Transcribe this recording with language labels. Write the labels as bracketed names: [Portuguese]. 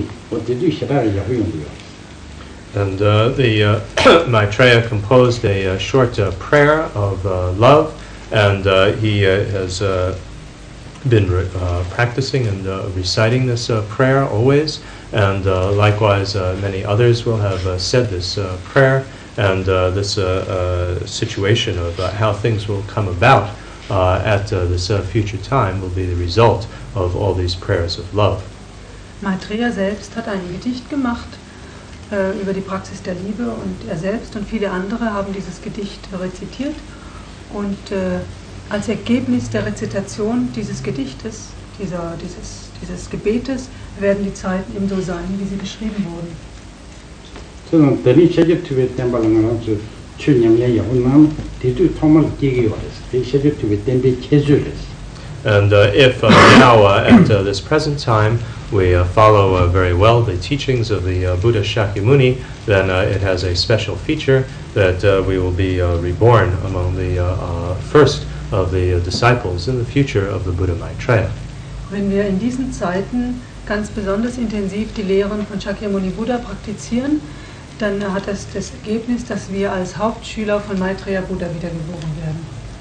[English] And Maitreya composed a short prayer of love, and he has been practicing and reciting this prayer always, and likewise many others will have said this prayer, and this situation of how things will come about at this future time will be the result of all these prayers of love. [German] Maitreya selbst hat ein Gedicht gemacht über die Praxis der Liebe, und er selbst und viele andere haben dieses Gedicht rezitiert, und als Ergebnis der Rezitation dieses Gedichtes, dieses Gebetes, werden die Zeiten eben so sein, wie sie beschrieben wurden. [English] And if now, at this present time, we follow very well the teachings of the Buddha Shakyamuni, then it has a special feature that we will be reborn among the first of the disciples in the future of the Buddha Maitreya. [German] Wenn wir in diesen Zeiten ganz besonders intensiv die Lehren von Shakyamuni Buddha praktizieren, dann hat das das Ergebnis, dass wir als Hauptschüler von Maitreya Buddha wiedergeboren werden.